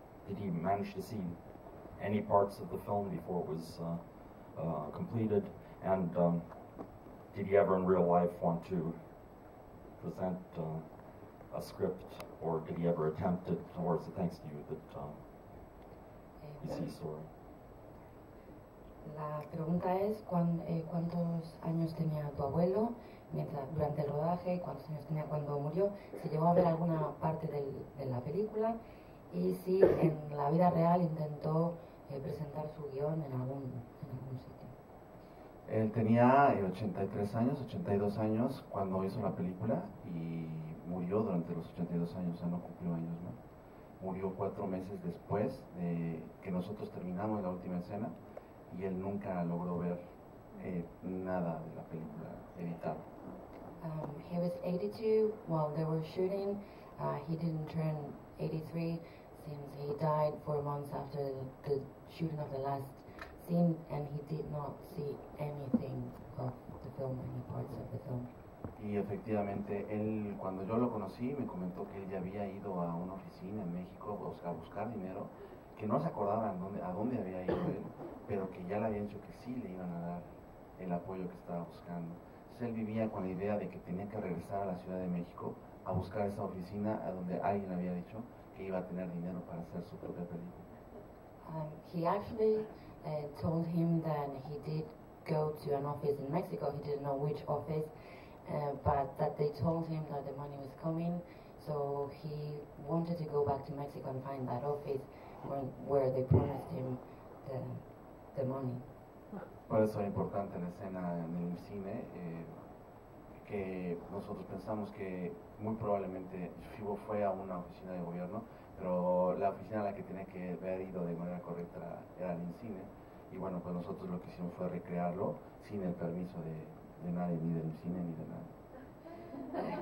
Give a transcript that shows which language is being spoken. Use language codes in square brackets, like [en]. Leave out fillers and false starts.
[en] Did he manage to see any parts of the film before it was completed? And did he ever in real life want to present a script, or did he ever attempt it, or is it thanks to you that you see story? [es] La pregunta es cuántos años tenía tu abuelo mientras durante el rodaje, cuántos años tenía cuando murió, si llegó a ver alguna parte de la película y si en la vida real intentó presentar su guión en algún sitio. Él tenía 82 años cuando hizo la película y murió durante los 82 años, o sea, no cumplió años más. Murió 4 meses después de que nosotros terminamos la última escena y él nunca logró ver nada de la película editada. [en] He was 82 while they were shooting. He didn't turn 83 since he died 4 months after the shooting of the last scene, and he did not see anything of the film, any parts of the film. [es] Y efectivamente, él, cuando yo lo conocí, me comentó que él ya había ido a una oficina en México a buscar dinero, que no se acordaba a dónde había ido él, pero que ya le habían dicho que sí le iban a dar el apoyo que estaba buscando. Él vivía con la idea de que tenía que regresar a la Ciudad de México a buscar esa oficina a donde alguien le había dicho que iba a tener dinero para hacer su propia película. [en] He actually told him that he did go to an office in Mexico. He didn't know which office, but that they told him that the money was coming, so he wanted to go back to Mexico and find that office where they promised him the money. [es] Por eso es importante la escena en el cine, que nosotros pensamos que muy probablemente Fibo fue a una oficina de gobierno, pero la oficina a la que tenía que haber ido de manera correcta era el cine. Y bueno, pues nosotros lo que hicimos fue recrearlo sin el permiso de nadie, ni del cine ni de nadie.